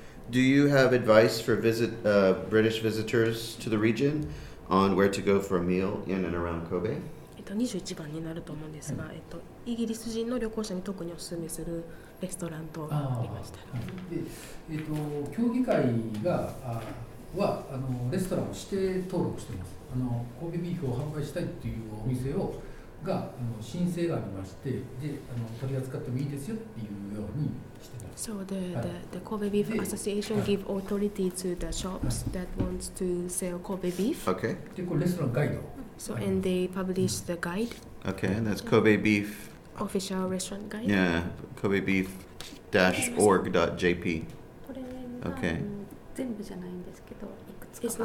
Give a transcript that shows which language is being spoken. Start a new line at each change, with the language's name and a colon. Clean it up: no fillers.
English: Do you have advice for British visitors to the region on where to go for a meal in and around Kobe?
Japanese: 21番になると思うんですが、イギリス人の旅行者に特にお勧めするレストランとありました。競技会がはレストランを指定登録しています。神戸ビーフを販売したいというお店をが申請がありまして、で取り扱ってもいいですよっていうようにしています。
English: So the Kobe Beef Association give authority to the shops that wants to sell Kobe beef. Okay.
Japanese: でこれレストランガイド。
English: So and they publish the guide. Okay, and that's Kobe Beef official restaurant guide. Yeah, kobebeef-org.jp. Okay.
Japanese: 全部じゃないんですけど、いくつか